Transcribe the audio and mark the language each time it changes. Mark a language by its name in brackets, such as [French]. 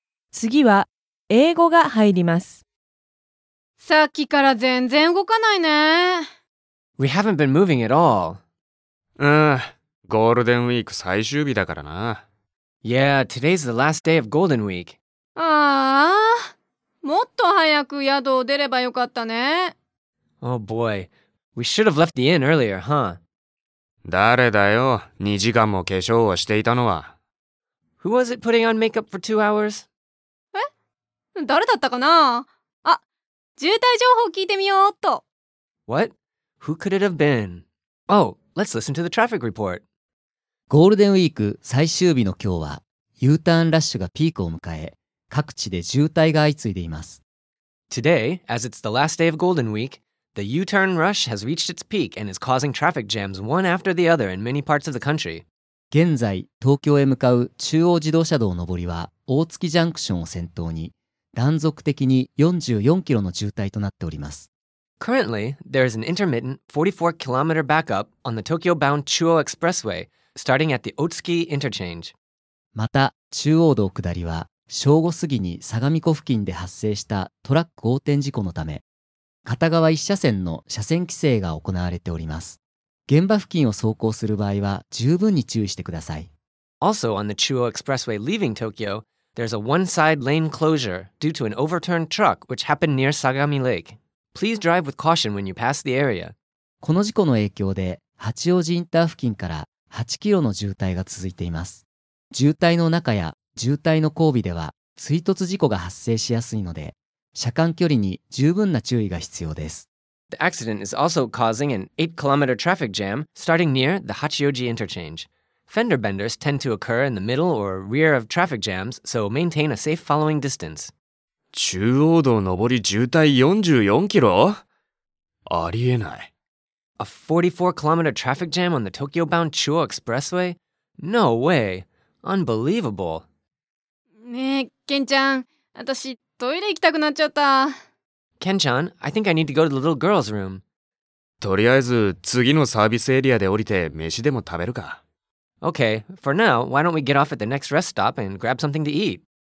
[Japanese] 次は英語が入ります。さっきから全然動かないね。 [English] We haven't been moving at all. [Japanese] うん。ゴールデンウィーク最終日だからな。 [English] Yeah, today's the last day of Golden Week. [Japanese] ああ、もっと早く宿を出ればよかったね。 [English] Oh boy, we should have left the inn earlier, huh? [Japanese] 誰だよ、2時間も化粧をしていたのは。 [English] Who was it putting on makeup for 2 hours? [Japanese] え、誰だったかな。あ、渋滞情報聞いてみようっと。 [English] What? Who could it have been? Oh. Let's listen to the traffic report. [Japanese] ゴールデンウィーク最終日の今日は U ターンラッシュがピークを迎え、各地で渋滞が相次いでいます。 [English] Today, as it's the last day of Golden Week, the U-turn rush has reached its peak and is causing traffic jams one after the other in many parts of the country. [Japanese] 現在、東京へ向かう中央自動車道上りは大月ジャンクションを先頭に、断続的に44キロの渋滞となっております。 [English] Currently, there is an intermittent 44-kilometer backup on the Tokyo-bound Chuo Expressway, starting at the Otsuki Interchange. [Japanese] また、中央道下りは、正午過ぎに相模湖付近で発生したトラック横転事故のため、片側一車線の車線規制が行われております。現場付近を走行する場合は、十分に注意してください。 [English] Also, on the Chuo Expressway leaving Tokyo, there's a one-side lane closure due to an overturned truck which happened near Sagami Lake. Please drive with caution when you pass the area. [Japanese] この事故の影響で八王子インター付近から8キロの渋滞が続いています。渋滞の中や渋滞の後尾では追突事故が発生しやすいので車間距離に十分な注意が必要です。 [English] The accident is also causing an 8-kilometer traffic jam starting near the Hachioji interchange. Fender benders tend to occur in the middle or rear of traffic jams, so maintain a safe following distance. [Japanese] 中央道上り渋滞44キロ?ありえない。 [English] A 44-kilometer traffic jam on the Tokyo-bound Chuo Expressway? No way! Unbelievable! [Japanese] ねえ、Ken-chan, 私、トイレ行きたくなっちゃった。 [English] Ken-chan, I think I need to go to the little girl's room. [Japanese] とりあえず、次のサービスエリアで降りて飯でも食べるか。 [English] Okay, for now, why don't we get off at the next rest stop and grab something to eat?